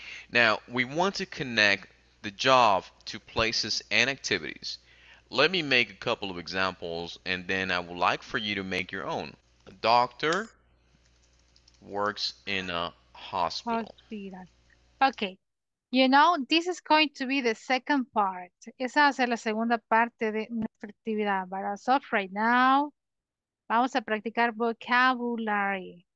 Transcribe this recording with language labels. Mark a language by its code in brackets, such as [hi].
[en] Now, we want to connect the job to places and activities. Let me make a couple of examples, and then I would like for you to make your own. A doctor works in a hospital. Okay, you know, this is going to be the second part. [es] Esa va a ser la segunda parte de nuestra actividad. [en] But as of right now, [es] vamos a practicar [en] vocabulary.